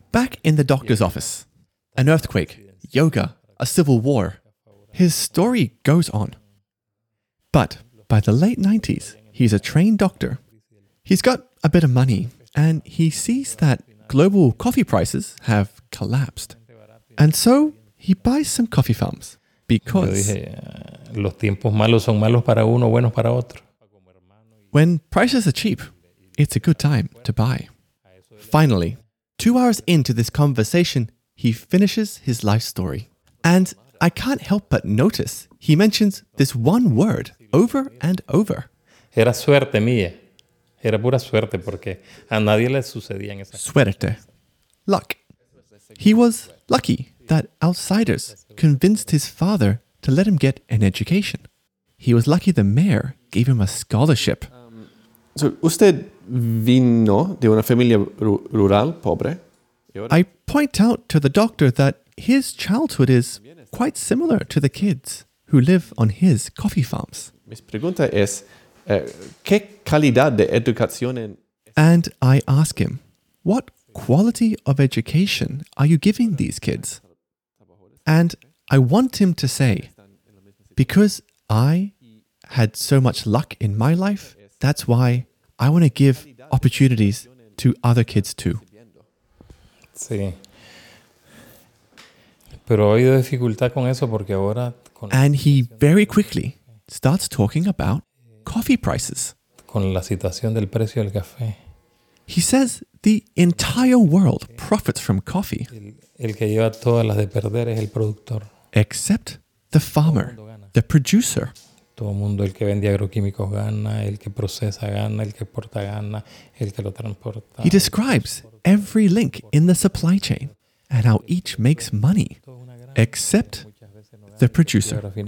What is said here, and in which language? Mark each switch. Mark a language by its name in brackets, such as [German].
[English] Back in the doctor's office, an earthquake, yoga, a civil war. His story goes on. But by the late 90s, he's a trained doctor. He's got a bit of money, and he sees that global coffee prices have collapsed. And so he buys some coffee farms because... [Spanish] Los tiempos malos son malos para uno, buenos para otro. [English] When prices are cheap, it's a good time to buy. Finally, 2 hours into this conversation, he finishes his life story. And I can't help but notice he mentions this one word over and over. [Spanish] Era suerte mía. Era pura suerte porque a nadie le sucedían esas cosas. Suerte. [English] Luck. He was lucky that outsiders convinced his father to let him get an education. He was lucky the mayor gave him a scholarship. [Spanish] So, usted vino de una familia rural, pobre. [English] I point out to the doctor that his childhood is quite similar to the kids who live on his coffee farms. [Spanish] Mi pregunta es, ¿qué calidad de educación en... [English] And I ask him, what quality of education are you giving these kids? And I want him to say, because I had so much luck in my life, that's why I want to give opportunities to other kids too. [Spanish] Sí. Pero ha habido dificultad con eso porque ahora... [English] And he very quickly starts talking about coffee prices. [Spanish] Con la situación del precio del café. [English] He says the entire world profits from coffee. [Spanish] El que lleva todas las de perder es el productor. [English] Except the farmer, the producer. [Spanish] Todo mundo, el que vende agroquímicos gana, el que procesa gana, el que exporta gana, el que lo transporta. [English] He describes every link in the supply chain and how each makes money, except the producer.